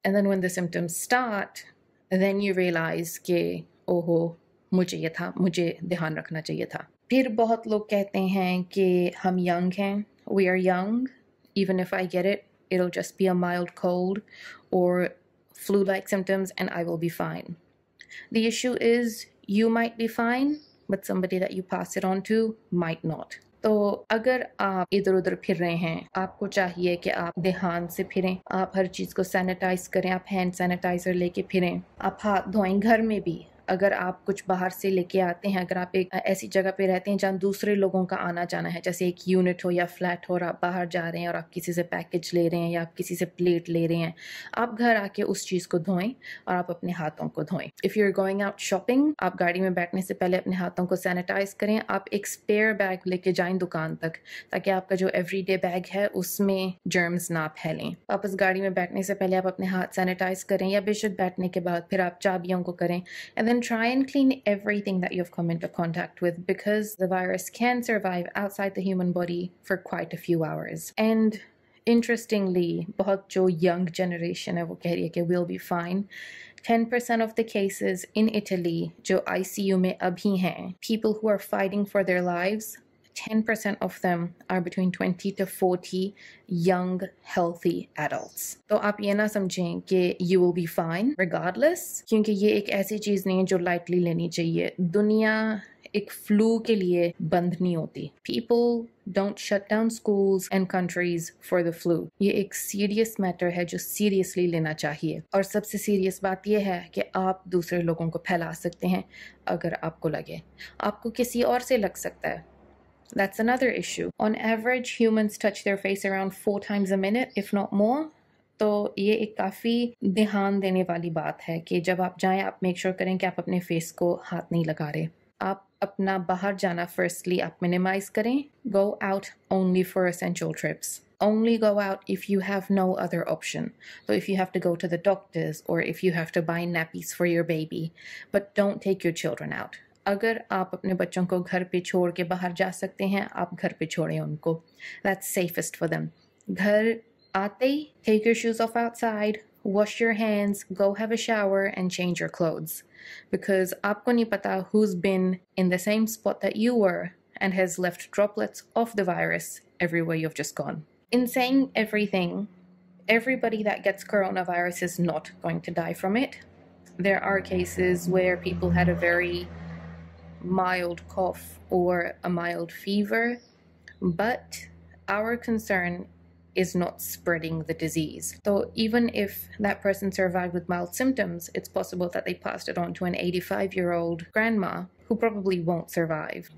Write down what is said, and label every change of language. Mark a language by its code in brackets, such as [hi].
[en] and then when the symptoms start, then you realise [hi] के ओहो, मुझे ये था, मुझे ध्यान रखना चाहिए था। फिर बहुत लोग कहते हैं कि हम यंग हैं, [en] We are young, even if I get it, it will just be a mild cold or flu like symptoms and I will be fine. The issue is you might be fine, but somebody that you pass it on to might not. [hi] तो अगर आप इधर उधर फिर रहे हैं, आपको चाहिए कि आप ध्यान से फिरें, आप हर चीज़ को सैनिटाइज करें, आप हैंड सैनिटाइजर लेके फिरें, आप हाथ धोएं घर में भी। अगर आप कुछ बाहर से लेके आते हैं, अगर आप एक ऐसी जगह पे रहते हैं जहाँ दूसरे लोगों का आना जाना है, जैसे एक यूनिट हो या फ्लैट हो और आप बाहर जा रहे हैं और आप किसी से पैकेज ले रहे हैं या आप किसी से प्लेट ले रहे हैं, आप घर आके उस चीज़ को धोएं और आप अपने हाथों को धोएं। [en] if you are going out shopping, [hi] आप गाड़ी में बैठने से पहले अपने हाथों को सैनिटाइज करें, आप एक स्पेयर बैग लेके जाएं दुकान तक ताकि आपका जो एवरी डे बैग है उसमें जर्म्स ना फैलें। वापस गाड़ी में बैठने से पहले आप अपने हाथ सैनिटाइज करें, या बेशक बैठने के बाद फिर आप चाबियों को करें, [en] And then try and clean everything that you've come into contact with, because the virus can survive outside the human body for quite a few hours. And interestingly, [hi] bahut jo young generation hai wo keh rahi hai ki [en] we'll be fine. 10% of the cases in Italy [hi] jo ICU mein abhi hain, [en] people who are fighting for their lives, 10% of them are between 20 to 40 young, healthy adults. [hi] तो आप ये ना समझें कि [en] you will be fine regardless, [hi] क्योंकि ये एक ऐसी चीज़ नहीं है जो lightly लेनी चाहिए। दुनिया एक flu के लिए बंद नहीं होती। [en] People don't shut down schools and countries for the flu. [hi] ये एक serious matter है जो seriously लेना चाहिए। और सबसे serious बात ये है कि आप दूसरे लोगों को फैला सकते हैं अगर आपको लगे। आपको किसी और से लग सकता है। [en] That's another issue. On average, humans touch their face around 4 times a minute, if not more. [hi] तो ये एक काफ़ी ध्यान देने वाली बात है कि जब आप जाएं, आप मेक श्योर करें कि आप अपने फेस को हाथ नहीं लगा रहे। आप अपना बाहर जाना फर्स्टली आप मिनिमाइज करें। [en] Go out only for essential trips. Only go out if you have no other option. So if you have to go to the doctors or if you have to buy nappies for your baby. But don't take your children out. [hi] अगर आप अपने बच्चों को घर पे छोड़ के बाहर जा सकते हैं, आप घर पे छोड़ें उनको। [en] That's safest for them. घर आते ही take your shoes off outside, wash your hands, go have a shower and change your clothes, because [hi] आपको नहीं पता [en] Who's been in the same spot that you were and has left droplets of the virus everywhere you have just gone. In saying everything, everybody that gets corona virus is not going to die from it. There are cases where people had a very mild cough or a mild fever, but our concern is not spreading the disease. So even if that person survived with mild symptoms, it's possible that they passed it on to an 85-year-old grandma who probably won't survive.